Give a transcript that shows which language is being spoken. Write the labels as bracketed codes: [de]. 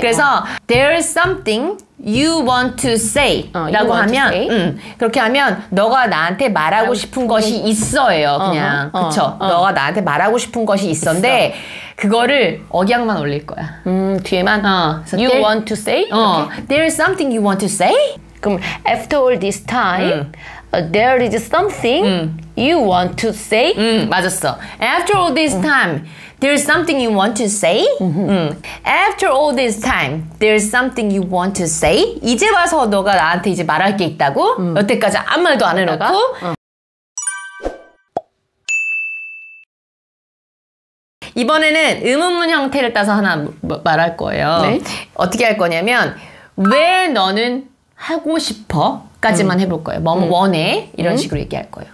[ko] 그래서 [en] There is something you want to say [ko] 라고 하면 [en] say? [ko] 그렇게 하면 너가 나한테 말하고 싶은 것이 있어예요. 그냥 그쵸? 너가 나한테 말하고 싶은 것이 있었는데 그거를 억양만 올릴 거야. 뒤에만 [en] you there, want to say? There is something you want to say? [ko] 그럼 [en] after all this time there is something you want to say? [ko] 맞았어. [en] After all this time there is something you want to say? After all this time, there is something you want to say? [ko] 이제 와서 너가 나한테 이제 말할 게 있다고? 여태까지 아무 말도 안 해놓고? 이번에는 의문문 형태를 따서 하나 말할 거예요. 네? 어떻게 할 거냐면 왜 너는 하고 싶어? 까지만 해볼 거예요. 뭐 원해? 이런 식으로 얘기할 거예요.